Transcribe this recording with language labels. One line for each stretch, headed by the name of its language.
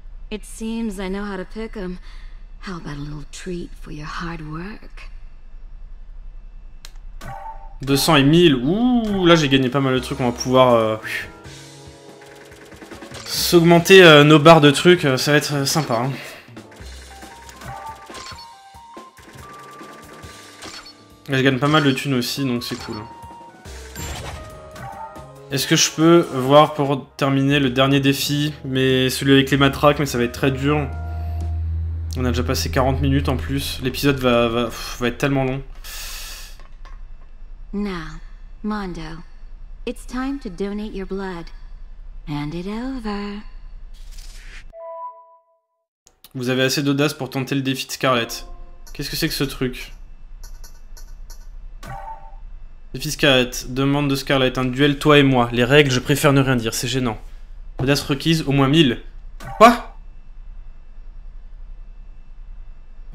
English: It seems I know how to pick 'em. How about a little treat for your hard work?
French: 200 et 1000. Ouh, là j'ai gagné pas mal de trucs, on va pouvoir s'augmenter nos barres de trucs, ça va être sympa hein. Et je gagne pas mal de thunes aussi, donc c'est cool. Est-ce que je peux voir pour terminer le dernier défi, mais celui avec les matraques, mais ça va être très dur. On a déjà passé 40 minutes en plus. L'épisode va être tellement long.
English: Now, Mondo, it's time to donate your blood. Hand it over.
French: Vous avez assez d'audace pour tenter le défi de Scarlett. Qu'est-ce que c'est que ce truc ? Défi Scarlett, demande de Scarlett, un duel toi et moi. Les règles, je préfère ne rien dire, c'est gênant. Audace requise, au moins 1000. Quoi ?